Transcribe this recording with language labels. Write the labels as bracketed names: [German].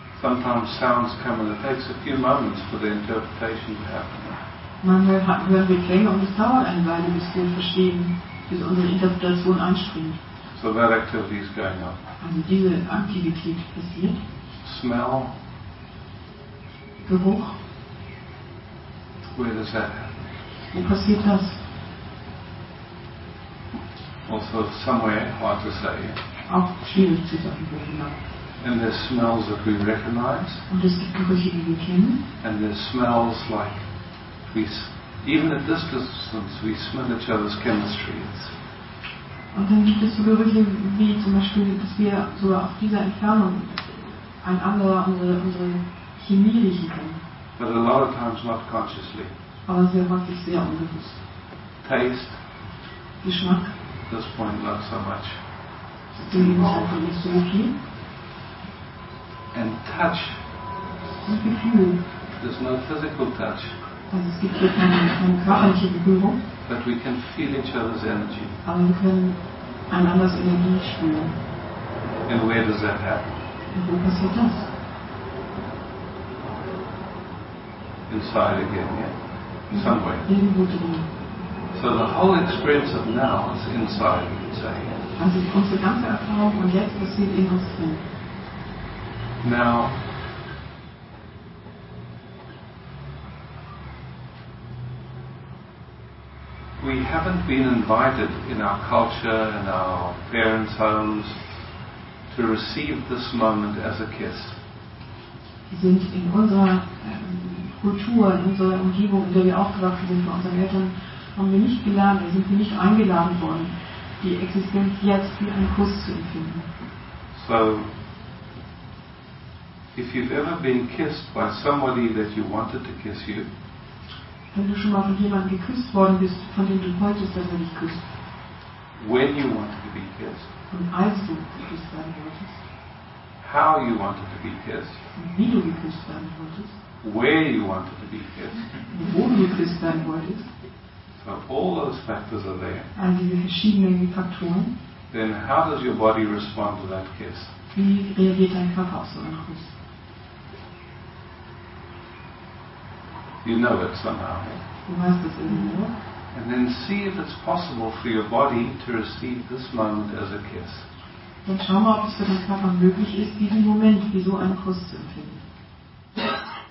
[English] Sometimes sounds come and it takes a few moments for the interpretation to happen. [German] Manchmal hören wir Klänge und es dauert eine Weile, bis wir verstehen, bis unsere Interpretation anspringt. [English] So that activity is going on. [German] Also diese Aktivität passiert. [English] Smell. [German] Geruch. [English] Where does that happen? [German] Wo passiert das? [English] Also somewhere, hard to say. [German] Auch schwierig zu sagen, wo genau. [English] And there's smells that we recognize. [German] Und es gibt Gerüche, die wir kennen. [English] And there's smells like we, even at this distance, we smell each other's chemistry. [German] Und dann gibt es so Gerüche, wie zum Beispiel, dass wir so auf dieser Entfernung ein anderer unsere Chemie riechen können. [English] But a lot of times not consciously. [German] Aber sehr häufig sehr unbewusst. [English] Taste. [German] Geschmack. [English] At this point not so much. [German] Sehen ist so okay. [English] And touch. [German] Und Gefühl. [English] There's no physical touch. [German] Also es gibt hier keine körperliche Berührung. [English] But we can feel each other's energy. [German] Aber wir können einanders Energie spüren. [English] And where does that happen? [German] Und wo passiert das? [English] Inside again, yeah? Somewhere. [German] Irgendwo drin. [English] So the whole experience of now is inside, you could say. [German] Also unsere ganze Erfahrung und jetzt passiert in uns drin. [English] Now, we haven't been invited in our culture and our parents' homes to receive this moment as a kiss. [German] Wir sind in unserer Kultur, in unserer Umgebung, in der wir aufgewachsen sind, bei unseren Eltern, haben wir nicht gelernt, wir sind nicht eingeladen worden, die Existenz jetzt wie einen Kuss zu empfinden. [English] So, if you've ever been kissed by somebody that you wanted to kiss you, [German] wenn du schon mal von jemandem geküsst worden bist, von dem du wolltest, dass er dich küsst. [English] When you wanted to be kissed. [German] Und als du geküsst werden wolltest. [English] How you wanted to be kissed. [German] Wie du geküsst werden wolltest. [English] Where you wanted to be kissed. [German] Wo du geküsst werden wolltest. [English] So all those factors are there. [German] All diese verschiedenen Faktoren. [English] Then how does your body respond to that kiss? [German] Wie reagiert dein Körper auf so einen Kuss? [English] You know it somehow. [German] Du weißt es irgendwo. [English] And then see if it's possible for your body to receive this moment as a kiss. [German] Dann schau mal, ob es für deinen Körper möglich ist, diesen Moment wie so einen Kuss zu empfinden.